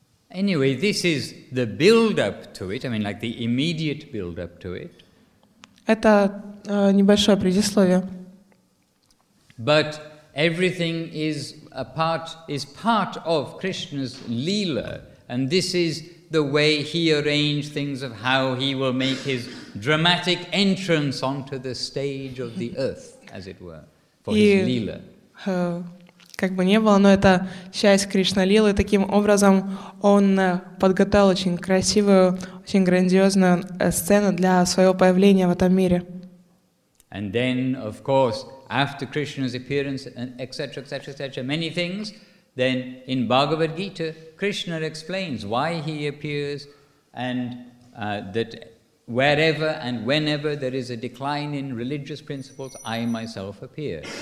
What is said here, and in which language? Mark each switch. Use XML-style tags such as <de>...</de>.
<en>Anyway, this is the build-up to it, I mean, like the immediate build-up to it.</en> <ru>Это небольшое предисловие.</ru> <en>But everything is part of Krishna's Leela, and this is the way he arranged things of how he will make his dramatic entrance onto the stage of the earth, as it were, for his Leela.</en> <ru>Как бы не было, но это часть Кришна-лилы. Таким образом, он подготовил очень красивую, очень грандиозную сцену для своего появления в этом мире.</ru> <en>And then, of course, after Krishna's appearance, etc., many things, then in Bhagavad Gita, Krishna explains why he appears and that wherever and whenever there is a decline in religious principles, I myself appear.</en>